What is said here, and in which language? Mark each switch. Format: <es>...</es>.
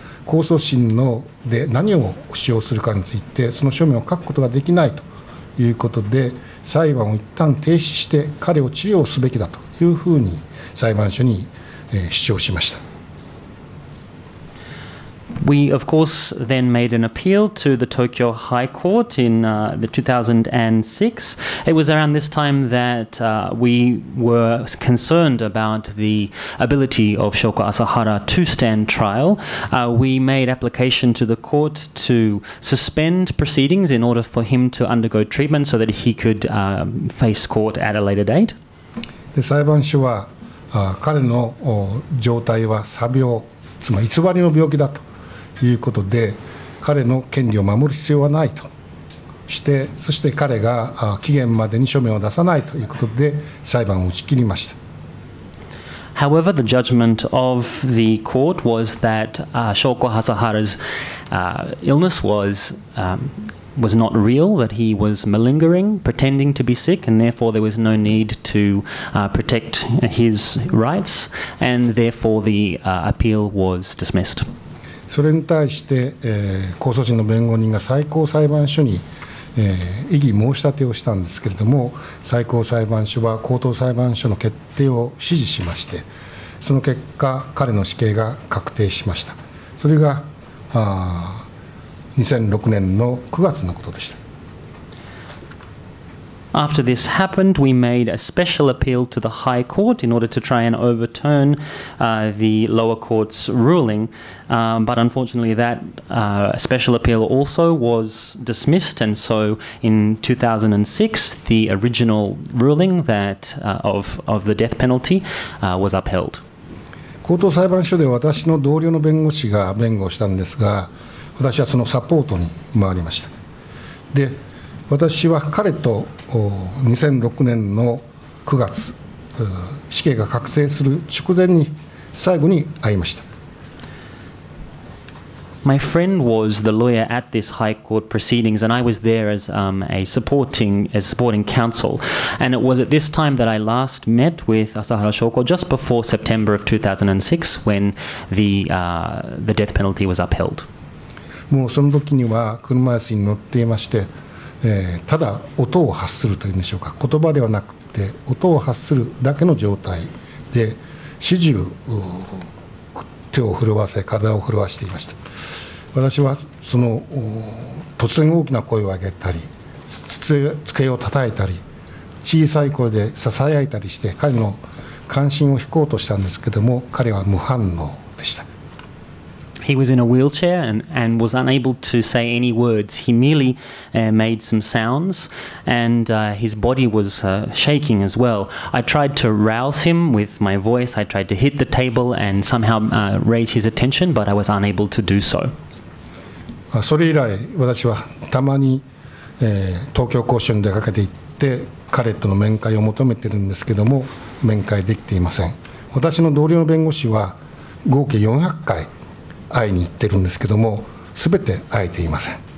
<ja>控訴審ので何を主張するかについてその書面を書くことができないということで裁判を一旦停止して彼を治療すべきだというふうに裁判所に主張しました。</ja> <en>We of course then made an appeal to the Tokyo High Court in the 2006. It was around this time that we were concerned about the ability of Shoko Asahara to stand trial. We made application to the court to suspend proceedings in order for him to undergo treatment so that he could face court at a later date. The</en> <ja>裁判所は彼の状態は詐病、つまり偽りの病気だと。ということで彼の権利を守る必要はないとしてそして彼が期限までに書面を出さないということで裁判を打ち切りました。</ja> <en>However, the judgment of the court was that Shoko Asahara's illness was not real, that he was malingering, pretending to be sick, and therefore there was no need to protect his rights, and therefore the appeal was dismissed.</en> <ja>それに対して、控訴審の弁護人が最高裁判所に、異議申し立てをしたんですけれども最高裁判所は高等裁判所の決定を支持しましてその結果彼の死刑が確定しました。それが2006年の9月のことでした。</ja> <en>After this happened, we made a special appeal to the High Court in order to try and overturn the lower court's ruling. But unfortunately, that special appeal also was dismissed. And so in 2006, the original ruling that of the death penalty was upheld.</en> <ja>高等裁判所で私の同僚の弁護士が弁護したんですが、私はそのサポートに回りました。で、私は彼と2006年の9月死刑が確定する直前に最後に会いました。</ja> <en>My friend was the lawyer at this high court proceedings and I was there as a supporting counsel and it was at this time that I last met with Asahara Shoko just before September of 2006 when the death penalty was upheld.</en> <ja>もうその時には車椅子に乗っていましてただ音を発するというんでしょうか言葉ではなくて音を発するだけの状態で始終手を震わせ体を震わしていました。私はその突然大きな声を上げたり机を叩いたり小さい声で囁いたりして彼の関心を引こうとしたんですけども彼は無反応でした。</ja> <en>He was in a wheelchair and was unable to say any words. He merely made some sounds and his body was shaking as well. I tried to rouse him with my voice. I tried to hit the table and somehow raise his attention, but I was unable to do so.</en> <ja>それ以来、私はたまに、東京拘置所に出かけて行って彼との面会を求めているんですけども、面会できていません。私の同僚の弁護士は合計400回会いに行ってるんですけども、すべて会えていません。</ja>